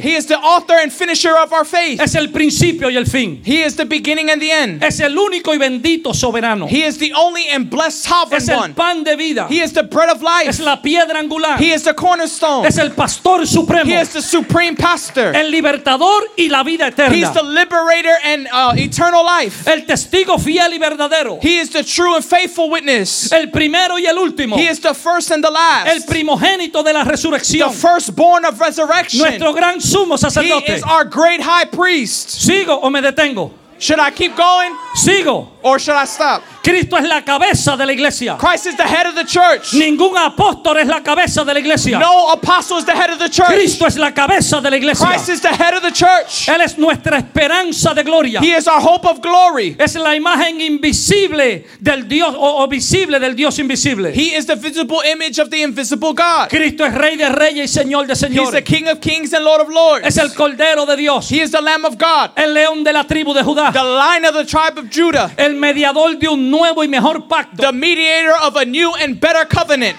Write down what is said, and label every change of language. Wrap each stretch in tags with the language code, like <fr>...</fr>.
<en>He is the author and finisher of our faith.</en> <es>Es el principio y el fin.</es> <en>He is the beginning and the end.</en> <es>Es el único y bendito soberano.</es> <en>He is the only and blessed sovereign one.</en> <es>Es el pan de vida.</es> <en>He is the bread of life.</en> <es>Es la piedra angular.</es> <en>He is the cornerstone.</en> <es>Es el pastor supremo.</es> <en>He is the supreme pastor.</en> <es>El libertador y la vida eterna.</es> <en>He is the liberator and eternal life.</en> <es>El testigo fiel y verdadero.</es> <en>He is the true and faithful witness.</en> <es>El primero y el último.</es> <en>He is the first and the last.</en> <es>El primogénito de la resurrección.</es> <en>The firstborn of resurrection.</en> <es>Nuestro gran sumo sacerdote.</es> <en>He is our great high priest.</en> <es>¿Sigo o me detengo?</es> <en>Should I keep going?</en> <es>Sigo.</es> <en>Or should I stop?</en> <es>Cristo es la cabeza de la iglesia.</es> <en>Christ is the head of the church.</en> <es>Ningún apóstol es la cabeza de la iglesia.</es> <en>No apostle is the head of the church.</en> <es>Cristo es la cabeza de la iglesia.</es> <en>Christ is the head of the church.</en> <es>Él es nuestra esperanza de gloria.</es> <en>He is our hope of glory.</en> <es>Es la imagen invisible del Dios o visible del Dios invisible.</es> <en>He is the visible image of the invisible God.</en> <es>Cristo es rey de reyes y señor de señores.</es> <en>He is the king of kings and lord of lords.</en> <es>Es el cordero de Dios.</es> <en>He is the lamb of God.</en> <es>El león de la tribu de Judá.</es> <en>The lion of the tribe of Judah.</en> <es>El mediador de un nuevo y mejor pacto.</es> <en>The mediator of a new and better covenant.</en>